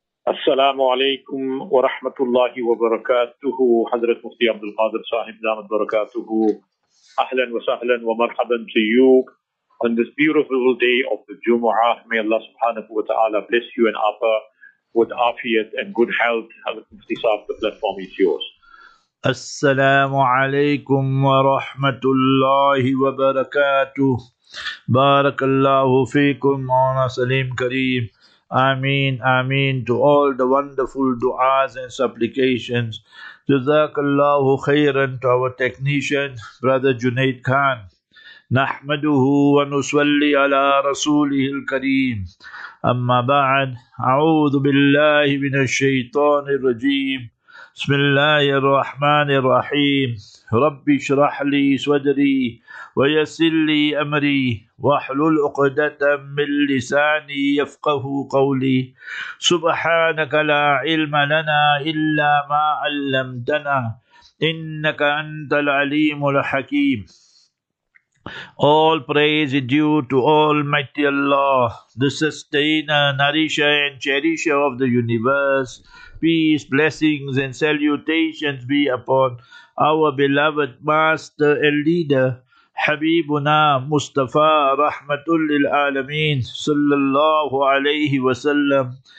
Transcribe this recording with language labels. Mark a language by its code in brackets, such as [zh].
[ur] السلام علیکم ورحمۃ اللہ وبرکاتہ، حضرت مفتی عبد القادر صاحب دامت برکاتہ، اهلا وسهلا ومرحبا [en] to you on this beautiful day of the Jumu'ah. May Allah subhanahu wa ta'ala bless you and Appa with afiyat and good health. Hazrat Mufti Sahib, the platform is yours. [ur] السلام علیکم ورحمۃ اللہ وبرکاتہ، بارک اللہ فیکم، مولانا سلیم کریم. [en] Ameen, ameen to all the wonderful du'as and supplications. Jazakallahu khayran to our technician, Brother Junaid Khan. Nahmaduhu wa nuswalli ala rasulihi al-kareem. Amma ba'd, a'udhu billahi min ash-shaytan ar-rajim. Bismillahi ar-Rahman ar-Rahim. [ar] Rabbi shrah li swadri wa yassir li amri واحلل عقدة من لساني يفقه قولي سبحانك لا علم لنا إلا ما علمتنا إنك أنت العليم الحكيم. [en] All praise is due to Almighty Allah, the sustainer, nourisher and cherisher of the universe. Peace, blessings and salutations be upon our beloved master and leader Habibuna Mustafa Rahmatul Lil Alameen Sallallahu Alaihi Wasallam.